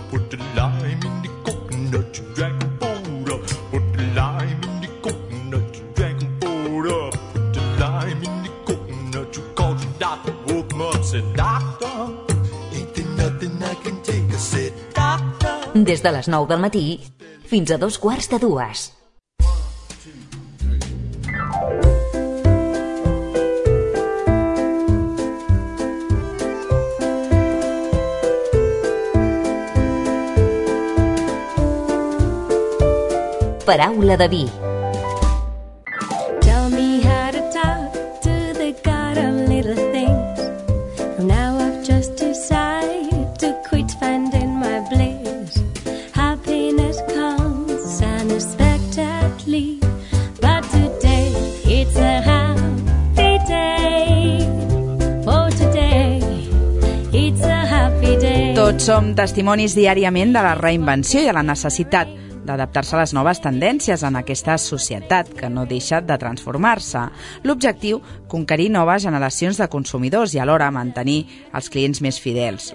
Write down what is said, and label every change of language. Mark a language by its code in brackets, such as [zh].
[en] Put the lime in the coconut, you drank more up. Put the lime in the coconut, you drank more up. Put the lime in the coconut, you called your doctor, woke him up, said, doctor, ain't there nothing I can take, I said, doctor. [ca] Des de les 9 del matí fins a 2:15. Paraula de vi. [en] Tell me how to talk to the god of little things. From now I've just decided to quit finding my bliss. Happiness comes unexpectedly, but today it's a happy day. Oh, today it's a happy day. [ca] Tots som testimonis diàriament de la reinvenció i de la necessitat d'adaptar-se a les noves tendències en aquesta societat que no deixa de transformar-se. L'objectiu, conquerir noves generacions de consumidors i alhora mantenir els clients més fidels.